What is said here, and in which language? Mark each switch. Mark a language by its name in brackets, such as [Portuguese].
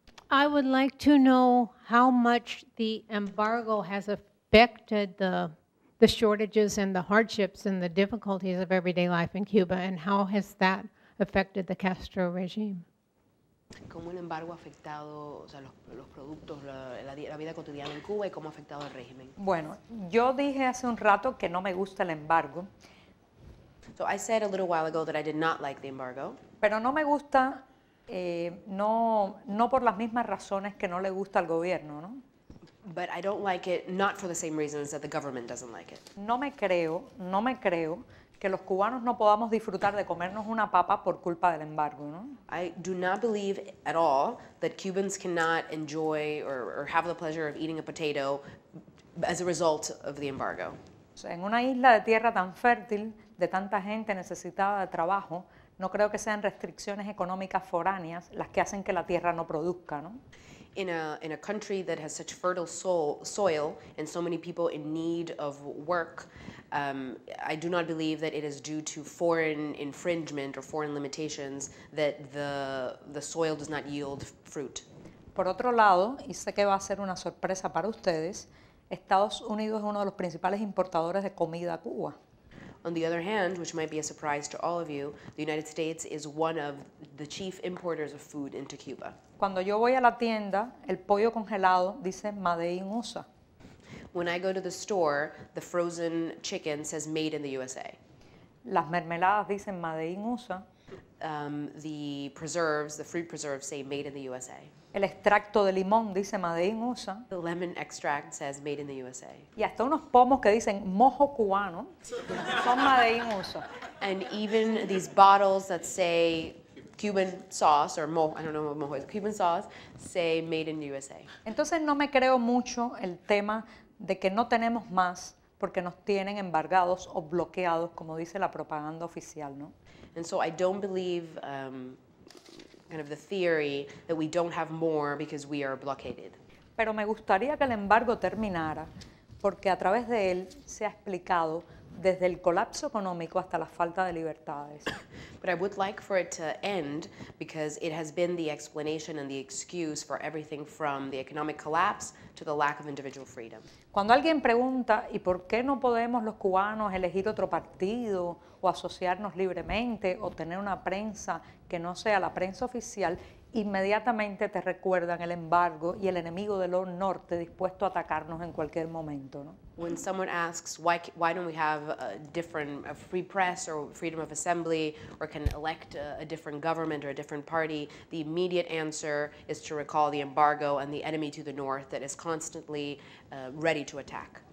[English] I would like to know how much the embargo has affected the shortages and the hardships and the difficulties of everyday life in Cuba, and how has that affected the Castro regime? [Spanish] ¿Cómo el embargo ha afectado, o sea, los productos, la vida cotidiana en Cuba y cómo ha afectado el régimen? Bueno, yo dije hace un rato que no me gusta el embargo. [English] So I said a little while ago that I did not like the embargo. [Spanish] Pero no me gusta, no por las mismas razones que no le gusta al gobierno, ¿no? [English] But I don't like it not for the same reasons that the government doesn't like it. [Spanish] No me creo que los cubanos no podamos disfrutar de comernos una papa por culpa del embargo, ¿no? [English] I do not believe at all that Cubans cannot enjoy or have the pleasure of eating a potato as a result of the embargo. [Spanish] O sea, en una isla de tierra tan fértil, de tanta gente necesitada de trabajo, no creo que sean restricciones económicas foráneas las que hacen que la tierra no produzca, ¿no? [English] In a country that has such fertile soil and so many people in need of work, I do not believe that it is due to foreign infringement or foreign limitations that the soil does not yield fruit. [Spanish] Por otro lado, y sé que va a ser una sorpresa para ustedes, Estados Unidos es uno de los principales importadores de comida a Cuba. [English] On the other hand, which might be a surprise to all of you, the United States is one of the chief importers of food into Cuba. [Spanish] Cuando yo voy a la tienda, el pollo congelado dice [English] Made in USA. When I go to the store, the frozen chicken says Made in the USA. [Spanish] Las mermeladas dicen [English] Made in USA. The preserves, the fruit preserves say Made in the USA. [Spanish] El extracto de limón dice [English] Made in USA. The lemon extract says Made in the USA. [Spanish] Y hasta unos pomos que dicen mojo cubano son [English] Made in USA. And even these bottles that say Cuban sauce or mojo, I don't know what mojo is, Cuban sauce, say Made in the USA. [Spanish] Entonces no me creo mucho el tema de que no tenemos más porque nos tienen embargados o bloqueados, como dice la propaganda oficial, ¿no? [English] And so I don't believe kind of the theory that we don't have more because we are blockaded. [Spanish] Pero me gustaría que el embargo terminara, porque a través de él se ha explicado desde el colapso económico hasta la falta de libertades. [English] But I would like for it to end because it has been the explanation and the excuse for everything from the economic collapse to the lack of individual freedom. [Spanish] Cuando alguien pregunta, ¿y por qué no podemos los cubanos elegir otro partido o asociarnos libremente o tener una prensa que no sea la prensa oficial? Inmediatamente te recuerdan el embargo y el enemigo del norte dispuesto a atacarnos en cualquier momento, ¿no? [English] When someone asks why don't we have a different a free press or freedom of assembly or can elect a different government or a different party, the immediate answer is to recall the embargo and the enemy to the north that is constantly ready to attack.